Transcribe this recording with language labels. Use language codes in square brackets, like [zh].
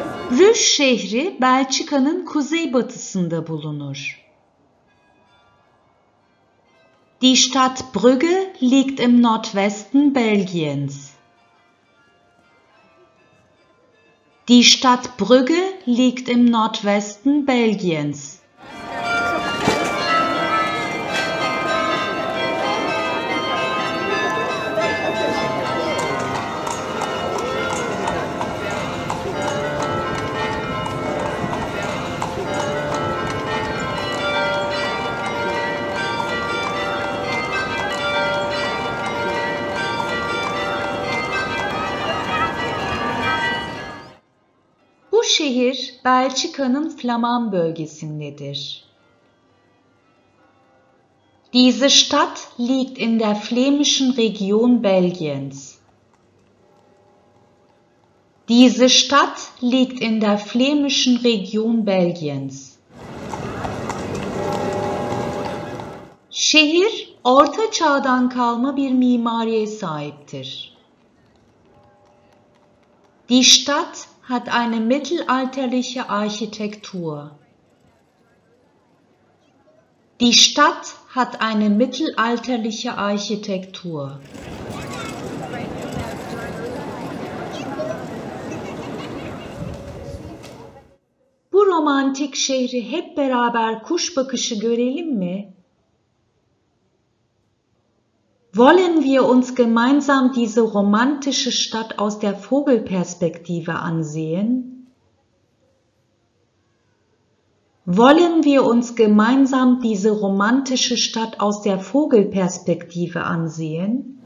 [tr] Brüj şehri Belçika'nın kuzeybatısında bulunur. [de] Die Stadt Brügge liegt im Nordwesten Belgiens. Die Stadt Brügge liegt im Nordwesten Belgiens. [tr] Şehir Belçika'nın Flaman bölgesindedir. [de] Diese Stadt liegt in der flämischen Region Belgiens. Diese Stadt liegt in der flämischen Region Belgiens. [tr] Şehir Orta Çağ'dan kalma bir mimariye sahiptir. [de] Die Stadt hat eine mittelalterliche Architektur. Die Stadt hat eine mittelalterliche Architektur. [tr] Bu romantik şehri hep beraber kuş bakışı görelim mi? [de] Wollen wir uns gemeinsam diese romantische Stadt aus der Vogelperspektive ansehen? Wollen wir uns gemeinsam diese romantische Stadt aus der Vogelperspektive ansehen?